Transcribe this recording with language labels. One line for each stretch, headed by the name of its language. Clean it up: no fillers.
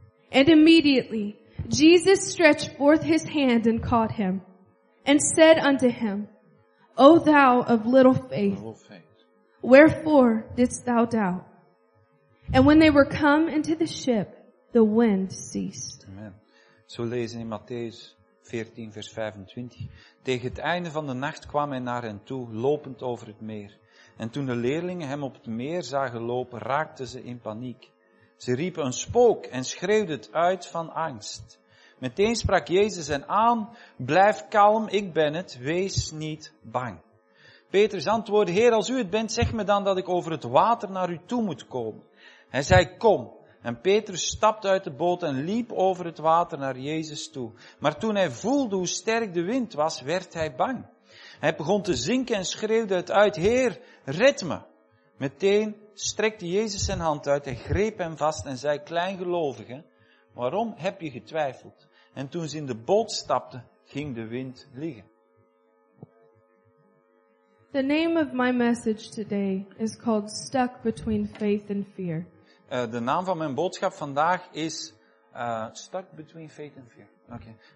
English: And immediately Jesus stretched forth his hand and caught him, and said unto him, O thou of little faith, wherefore didst thou doubt? And when they were come into the ship, the wind ceased.
Dutch: Amen. Zo lezen in Matthäus 14, vers 25. Tegen het einde van de nacht kwam hij naar hen toe, lopend over het meer. En toen de leerlingen hem op het meer zagen lopen, raakten ze in paniek. Ze riepen een spook en schreeuwden het uit van angst. Meteen sprak Jezus hen aan, blijf kalm, ik ben het, wees niet bang. Petrus antwoordde, Heer, als u het bent, zeg me dan dat ik over het water naar u toe moet komen. Hij zei, kom. En Petrus stapte uit de boot en liep over het water naar Jezus toe. Maar toen hij voelde hoe sterk de wind was, werd hij bang. Hij begon te zinken en schreeuwde het uit, Heer, red me. Meteen strekte Jezus zijn hand uit en greep hem vast en zei, kleingelovige, waarom heb je getwijfeld? En toen ze in de boot stapte, ging de wind liggen.
English: The name of my message today is called Stuck Between Faith and Fear.
Dutch: De naam van mijn boodschap vandaag is
English: Stuck Between Faith and Fear.
Dutch: Okay.